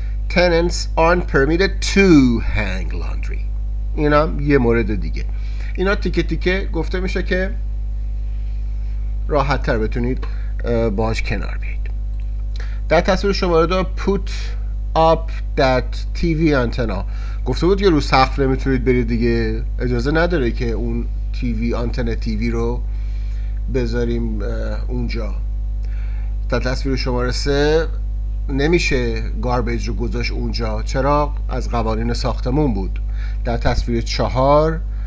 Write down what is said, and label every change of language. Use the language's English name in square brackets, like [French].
[English] Tenants aren't permitted to hang laundry. [Persian] اینا یه مورد دیگه. اینا تیکه تیکه گفته میشه که راحت تر بتونید باهاش کنار بیاید. در تصویر شماره دو، [English] put up that TV antenna. [Persian] گفته بود که رو سقف نمیتونید برید دیگه، اجازه نداره که اون TV آنتن TV رو بذاریم اونجا. در تصویر شماره 3، نمیشه گاربیج رو گذاشت اونجا، چرا؟ از قوانین ساختمون بود. در تصویر 4،